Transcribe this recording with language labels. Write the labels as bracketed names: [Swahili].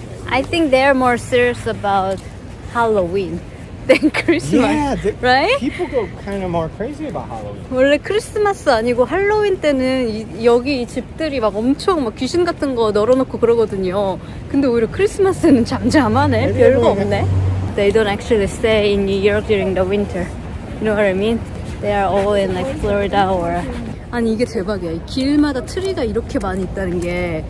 [English] I think they're more serious about Halloween than Christmas, yeah, right? People go kind of more crazy about Halloween. [Korean] 원래 크리스마스 아니고 할로윈 때는 여기 이 집들이 막 엄청 막 귀신 같은 거 널어놓고 그러거든요. 근데 오히려 크리스마스는 잠잠하네. 별거 없네. [English] they don't actually stay in New York during the winter. You know what I mean? They are all in like Florida or. [Korean] 아니 이게 대박이야. 이 길마다 트리가 이렇게 많이 있다는 게.